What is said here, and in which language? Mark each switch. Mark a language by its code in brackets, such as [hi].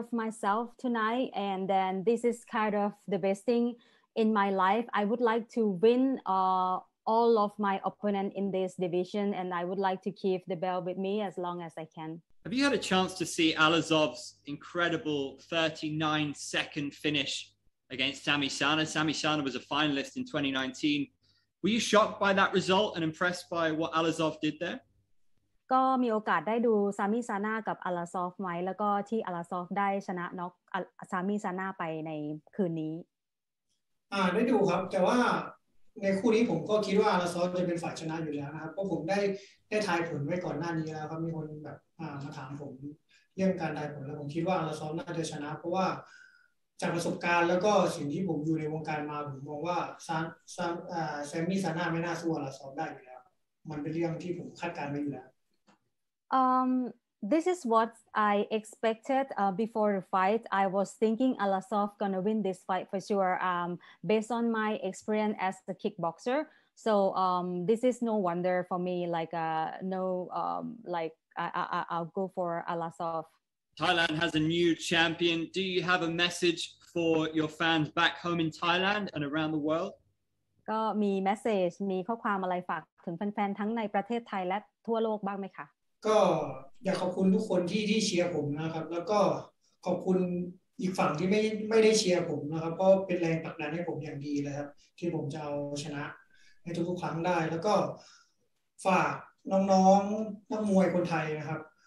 [en] Well I really proud of myself tonight and then this is kind of the best thing in my life I would like to win all of my opponent in this division and I would like to keep the belt with me as long as I can Have you had a chance to see Alazov's incredible 39 second finish against Sami Sana Sami Sana was a finalist in 2019Were you shocked by that result and impressed by what Alazov did there? [th] ก็มีโอกาสได้ดูซามิซาน่ากับอาลาซอฟไหมแล้วก็ที่อาลาซอฟได้ชนะน็อกซามิซาน่าไปในคืนนี้ ได้ดูครับแต่ว่าในคู่นี้ผมก็คิดว่าอาลาซอฟจะเป็นฝ่ายชนะอยู่แล้วนะครับเพราะผมได้ทายผลไว้ก่อนหน้านี้แล้วครับมีคนแบบมาถามผมเรื่องการทายผลแล้วผมคิดว่าอาลาซอฟน่าจะชนะเพราะว่าจากประสบการณ์แล้วก็สิ่งที่ผมอยู่ในวงการมาผมมองว่าแซมมี่ซาน่าไม่น่าสู้อลาซอฟได้อยู่แล้วมันเป็นเรื่องที่ผมคาดการณ์ไว้อยู่แล้ว [en] This is what I expected before the fight. I was thinking Alasov gonna win this fight for sure, based on my experience as the kickboxer. So this is no wonder for me. Like I'll go for Alasov. Thailand has a new champion. Do you have a message for your fans back home in Thailand and around the world? [th] ก็มี message มีข้อความอะไรฝากถึงแฟนๆทั้งในประเทศไทยและทั่วโลกบ้างไหมคะ ก็อยากขอบคุณทุกคนที่เชียร์ผมนะครับแล้วก็ขอบคุณอีกฝั่งที่ไม่ได้เชียร์ผมนะครับก็เป็นแรงผลักดันให้ผมอย่างดีเลยครับที่ผมจะเอาชนะในทุกๆครั้งได้แล้วก็ฝากน้องๆนักมวยคนไทยนะครับ